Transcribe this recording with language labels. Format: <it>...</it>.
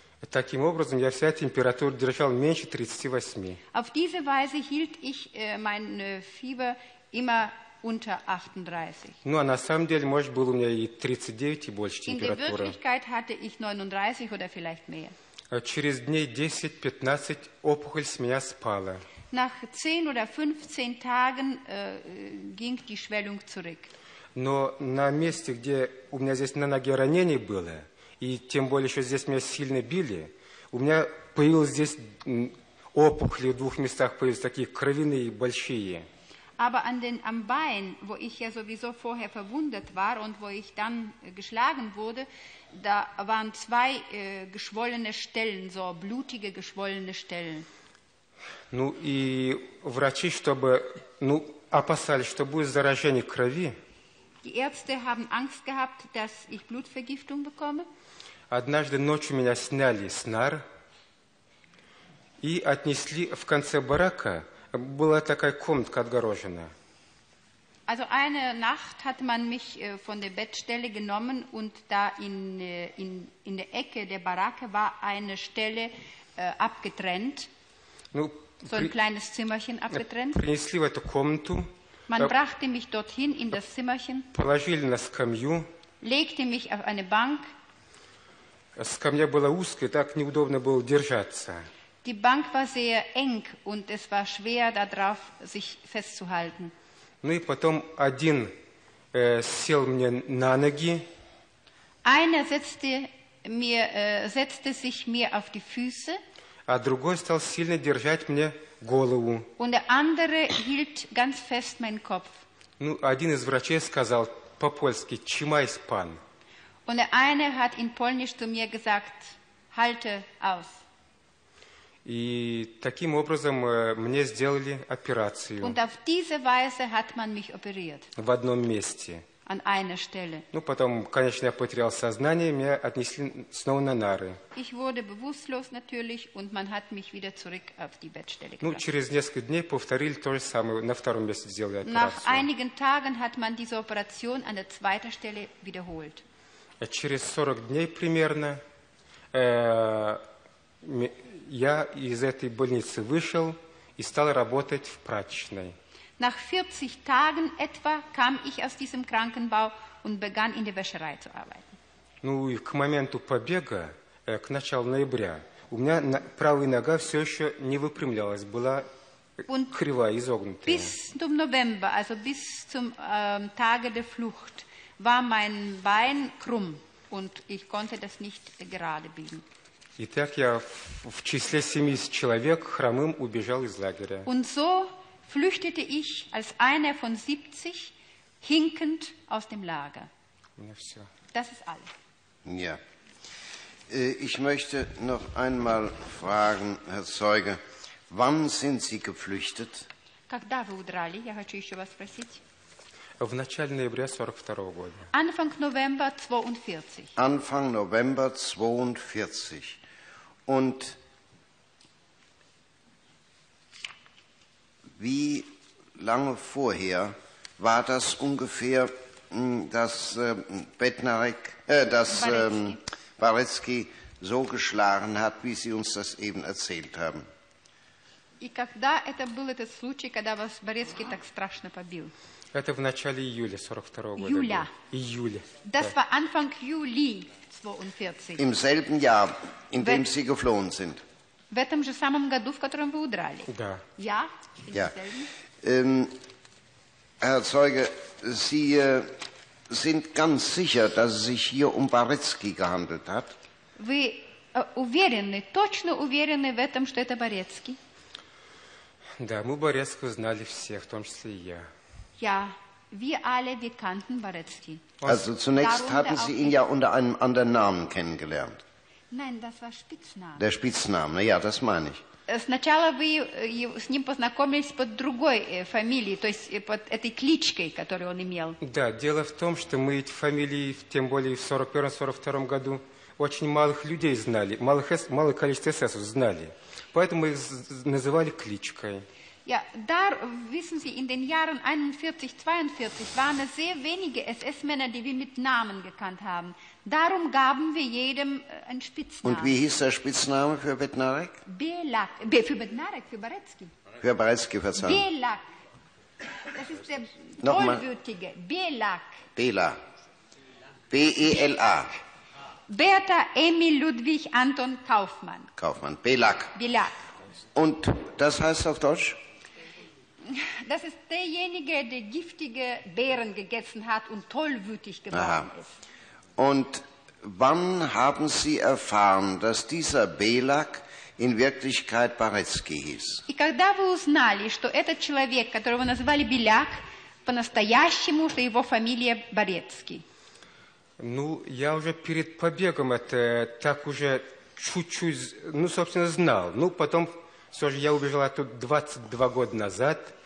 <ru>Таким образом, я вся температуру держал меньше 38.</ru> <de>Auf diese Weise hielt ich mein Fieber immer unter 38.</de> <ru>Ну, а на самом деле, может, было у меня и 39, и больше температура.</ru> <de>In der Wirklichkeit hatte ich 39 oder vielleicht mehr.</de> <ru>Через дней 10-15 опухоль с меня спала.</ru> <de>Nach 10 oder 15 Tagen ging die Schwellung zurück.</de> <ru>Но на месте, где у меня здесь на ноге ранение было, и тем более еще здесь меня сильно били, у меня появилось здесь опухоли в двух местах, появились такие кровяные большие.</ru> <de>Aber an den am Bein, wo ich ja sowieso vorher verwundet war und wo ich dann geschlagen wurde, da waren zwei geschwollene Stellen, so blutige geschwollene Stellen.</de> <ru>Ну и врачи, чтобы, ну, опасались, что будет заражение крови.</ru> <de>Die Ärzte haben Angst gehabt, dass ich Blutvergiftung bekomme.</de> <ru>Однажды ночью меня сняли с нар и отнесли в конце барака. Была такая комнатка отгорожена.</ru> <de>Also eine Nacht hat man mich von der Bettstelle genommen und da in der Ecke der Baracke war eine Stelle abgetrennt. Ну, so ein kleines Zimmerchen abgetrennt.</de> <ru>Принесли в эту комнату.</ru> <de>Man brachte mich dorthin in das Zimmerchen.</de> <ru>Положили на скамью.</ru> <de>Legte mich auf eine Bank.</de> <ru>Скамья была узкая, так неудобно было держаться.</ru> <de>Die Bank war sehr eng und es war schwer darauf sich festzuhalten.</de> <ru>Ну и потом один сел мне на ноги.</ru> <de>Einer setzte sich mir auf die Füße.</de> <ru>А другой стал сильно держать мне голову.</ru> <de>Und der andere hielt ganz fest meinen Kopf.</de> <ru>Ну, один из врачей сказал по-польски:</ru> <pl>«Чимайс, пан».</pl> <de>Und der eine hat in Polnisch zu mir gesagt: «Halte aus».</de> <ru>И таким образом мне сделали операцию.</ru> <de>Und auf diese Weise hat man mich operiert.</de> <ru>В одном месте.</ru> <de>an einer Stelle.</de> <ru>Ну, потом, конечно, я потерял сознание, меня отнесли снова на нары.</ru> <de>Ich wurde bewusstlos natürlich und man hat mich wieder zurück auf die Bettstelle gebracht.</de> <ru>Ну, через несколько дней повторили то же самое, на втором месте сделали операцию.</ru> <de>Nach einigen Tagen hat man diese Operation an der zweiten Stelle wiederholt.</de> <ru>Через 40 дней примерно я из этой больницы вышел и стал работать в прачечной.</ru> <de>Nach 40 Tagen etwa kam ich aus diesem Krankenbau und begann in der Wäscherei zu arbeiten.</de> <ru>Ну и к моменту побега, к началу ноября, у меня правая нога все еще не выпрямлялась, была кривая, изогнутая.</ru> <de>Bis zum November, also bis zum Tage der Flucht, war mein Bein krumm und ich konnte das nicht gerade biegen.</de> <ru>Итак, я в числе 70 человек хромым убежал из лагеря.</ru> <de>Und so flüchtete ich als einer von 70 hinkend aus dem Lager. Das ist alles. Ja. Ich möchte noch einmal fragen, Herr Zeuge, wann sind Sie geflüchtet?</de> <ru>Когда вы удрали? Я хочу еще вас спросить. В начале ноября 42 года.</ru> <de>Anfang November 42. Anfang November 42. Und wie lange vorher war das ungefähr, dass Bednarek, dass Baretsky so geschlagen hat, wie Sie uns das eben erzählt haben?</de> <ru>И когда это был этот случай, когда вас Борецкий так страшно побил? Это в начале июля 42 года. Июля. Июля.</ru> <de>Das war Anfang Juli 42. Im selben Jahr, in dem Sie geflohen sind.</de> <ru>В этом же самом году, в котором вы удрали. Да. Я?</ru> <de>Ja. Herr Zeuge, Sie sind ganz sicher, dass es sich hier Baretsky gehandelt hat?</de> <ru>Вы уверены, точно уверены в этом, что это Борецкий? Да, мы Борецкого знали все, в том числе и я.</ru> <de>Ja, wir alle, wir kannten Baretsky. Also zunächst hatten Sie ihn ja unter einem anderen Namen kennengelernt. Nein, das war Spitzname. Der Spitzname, ja, das meine ich.</de> <ru>Сначала вы с ним познакомились под другой фамилией, то есть под этой кличкой, которую он имел. Да, дело в том, что мы эти фамилии, тем более в 41-42 году, очень малых людей знали, малое количество эсэсов знали. Поэтому их называли кличкой.</ru> <de>Ja, da wissen Sie, in den Jahren 41, 42 waren es sehr wenige SS-Männer, die wir mit Namen gekannt haben. Darum gaben wir jedem einen Spitznamen. Und wie hieß der Spitzname für Bednarek? Belak. Für Bednarek, für Baretsky. Für Baretsky, verzeihung. Belak. Das ist der tollwütige. Belak. Bela. B-E-L-A. Bertha Emil Ludwig Anton Kaufmann. Kaufmann. Belak. Belak. Und das heißt auf Deutsch? Das ist derjenige, der giftige Beeren gegessen hat und tollwütig geworden Aha. ist. Und wann haben Sie erfahren, dass dieser Belak in Wirklichkeit Baretsky hieß?</de> <ru>И когда вы узнали, что этот человек, которого назвали Беляк, по-настоящему, что его фамилия Борецкий? Ну, я уже перед побегом это так уже чуть-чуть, ну, собственно, знал. Ну, потом, все же, я убежал оттуда 22 года назад.</ru>